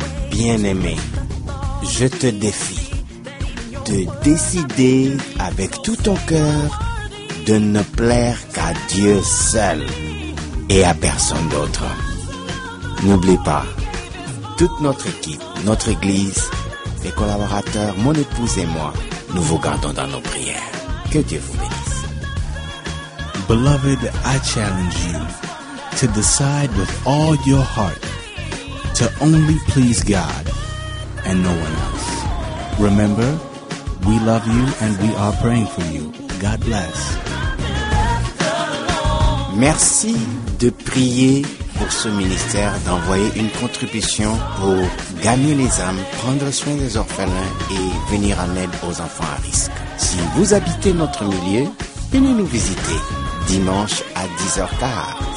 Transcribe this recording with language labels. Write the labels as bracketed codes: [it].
[fr] Bien-aimé, je te défie de décider avec tout ton cœur de ne plaire qu'à Dieu seul et à personne d'autre. N'oublie pas, toute notre équipe, notre église, mes collaborateurs, mon épouse et moi, nous vous gardons dans nos prières. Que Dieu vous bénisse. [en] Beloved, I challenge you to decide with all your heart to only please God and no one else. Remember, we love you and we are praying for you. God bless. [fr] Merci de prier pour ce ministère, d'envoyer une contribution pour gagner les âmes, prendre soin des orphelins et venir en aide aux enfants à risque. Si vous habitez notre milieu, venez nous visiter dimanche à 10h15.